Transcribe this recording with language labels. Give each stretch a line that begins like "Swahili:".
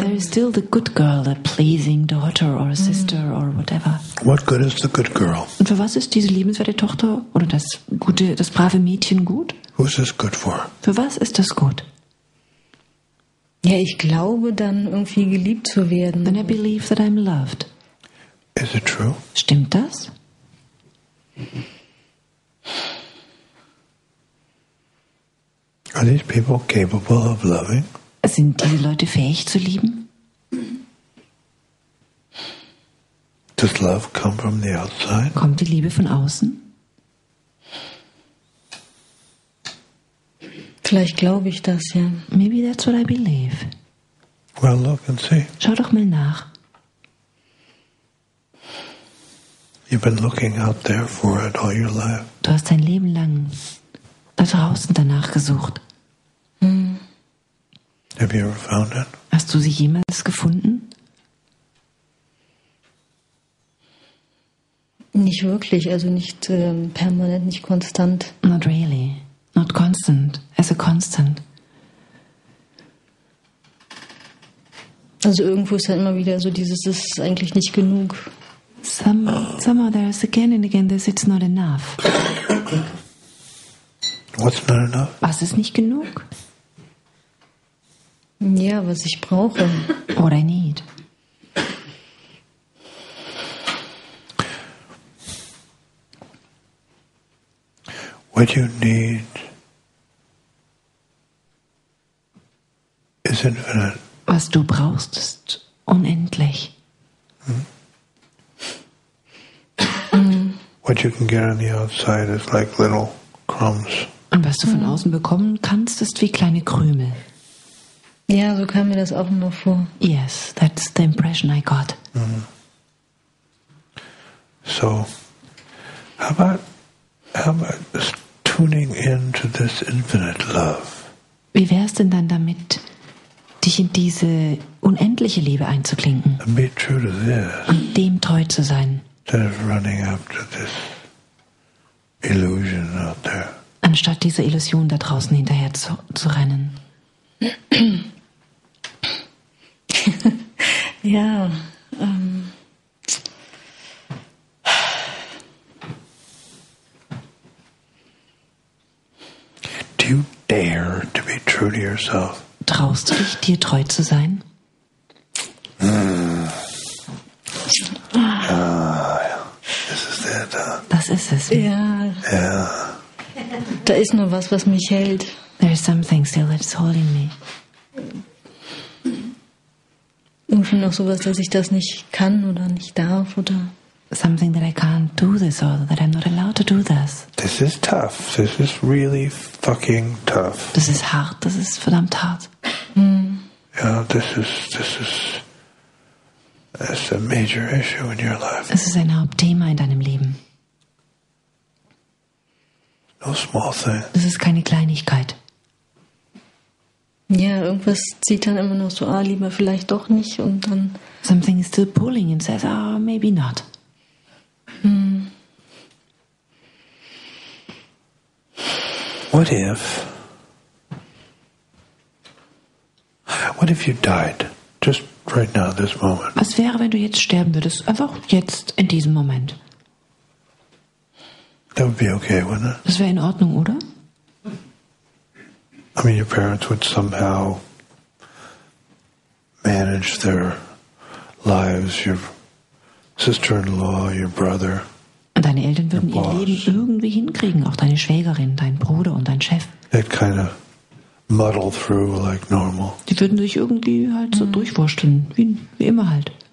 English: There is still the good girl, the pleasing daughter or sister or whatever. What good is the good girl?
German: Und für was ist diese liebenswerte Tochter oder das gute, das brave Mädchen gut?
English: Who is this good for?
German: Für was ist das gut? Ja, ich glaube dann irgendwie geliebt zu werden.
English: Then I believe that I'm loved. Is it true?
German: Stimmt das?
English: Are these people capable of loving?
German: Sind diese Leute fähig zu lieben?
English: Does love come from the outside?
German: Kommt die Liebe von außen? Vielleicht glaube ich das, ja.
English: Maybe that's what I believe. Well, look and see.
German: Schau doch mal nach.
English: You've been looking out there for it all your life.
German: Du hast dein Leben lang da draußen danach gesucht.
English: Have you ever found it?
German: Hast du sie jemals gefunden? Nicht wirklich, also nicht permanent, nicht konstant.
English: Not really. Not constant, as a constant.
German: Also irgendwo ist halt immer wieder so dieses, das ist eigentlich nicht genug.
English: Somehow there's again and again this, it's not enough. What's not enough?
German: Was ist nicht genug? Ja, was ich brauche.
English: What I need. What you need is infinite.
German: Was du brauchst, ist unendlich.
English: What you can get on the outside is like little crumbs.
German: Und was du von außen bekommen kannst, ist wie kleine Krümel. Ja, so kam mir das auch immer vor.
English: Yes, that's the impression I got. So, how about just tuning into this infinite love?
German: Wie wär's denn dann damit, dich in diese unendliche Liebe einzuklinken?
English: And be true to this.
German: Und dem treu zu sein.
English: Instead of running after this illusion out there.
German: Anstatt dieser Illusion da draußen hinterher zu rennen. Ja.
English: Do you dare to be true to yourself?
German: Traust du dich, dir treu zu sein? Das ist es. Ja. Ja. Da ist nur was, was mich hält.
English: There is something still that's holding me.
German: Irgendwie noch sowas, dass ich das nicht kann oder nicht darf oder.
English: Something that I can't do this or that I'm not allowed to do this. This is tough. This is really fucking tough.
German: Das ist hart. Das ist verdammt hart.
English: Ja, this is a major issue in your life.
German: Das ist ein Hauptthema in deinem Leben.
English: No small thing.
German: Das ist keine Kleinigkeit. Ja, irgendwas zieht dann immer noch so, ah, lieber vielleicht doch nicht und dann.
English: Something is still pulling and says, ah, maybe not. What if you died just right now, this moment?
German: Was wäre, wenn du jetzt sterben würdest? Einfach jetzt in diesem Moment.
English: That would be okay, wouldn't it?
German: Das wäre in Ordnung, oder?
English: I mean, your parents would somehow manage their lives, your sister-in-law, your brother.
German: Und deine Eltern würden ihr Leben irgendwie hinkriegen, auch deine Schwägerin, dein Bruder und dein Chef.
English: They'd kind of muddle through like normal.
German: Die würden sich irgendwie halt so durchwursteln, wie immer halt.